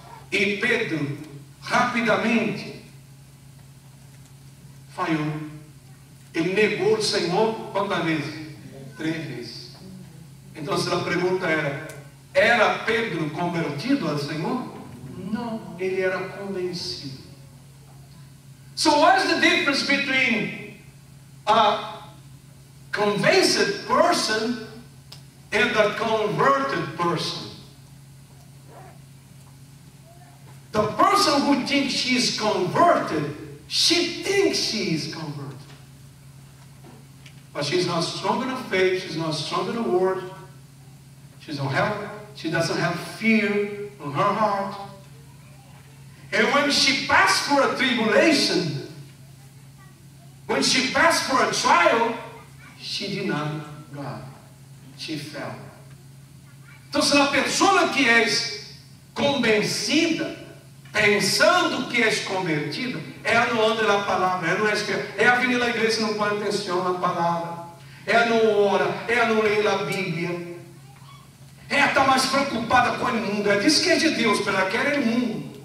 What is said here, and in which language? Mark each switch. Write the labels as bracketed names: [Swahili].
[Portuguese] E Pedro rapidamente falhou. Ele negou o Senhor quantas vezes? 3 vezes. Então a pergunta era: era Pedro convertido ao Senhor? Não, ele era convencido. [English] So what's the difference between a convinced person and a converted person? The person who thinks she is converted, she thinks she is converted. But she's not strong in her faith, she's not strong in the word, she doesn't have fear in her heart. And when she passed for a tribulation, when she passed for a trial, she denied God. She fell. [Portuguese] Então se a pessoa que é convencida, pensando que és convertido, ela não anda na palavra, ela não é esperta, ela vem na igreja e não põe atenção na palavra, ela não ora, ela não lê a Bíblia, ela está mais preocupada com o mundo, ela diz que é de Deus, mas ela quer o mundo.